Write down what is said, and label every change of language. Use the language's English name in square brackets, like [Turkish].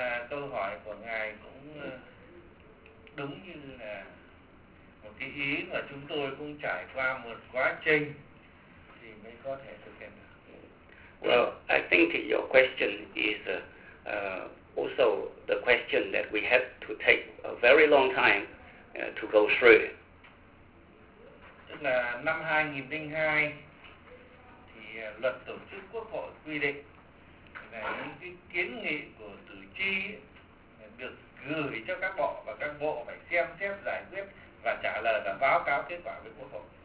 [Vietnamese] Câu hỏi của ngài cũng đúng như là một cái ý mà chúng tôi cũng trải qua một quá trình thì mới có thể thực hiện được. [English] Well, I think that your question is also the question that we have to take a very long time to go through. [Vietnamese] Tức là năm 2002 thì luật tổ chức quốc hội quy định là những cái kiến nghị của cử tri được gửi cho các bộ và các bộ phải xem xét giải quyết và trả lời và báo cáo kết quả với quốc hội.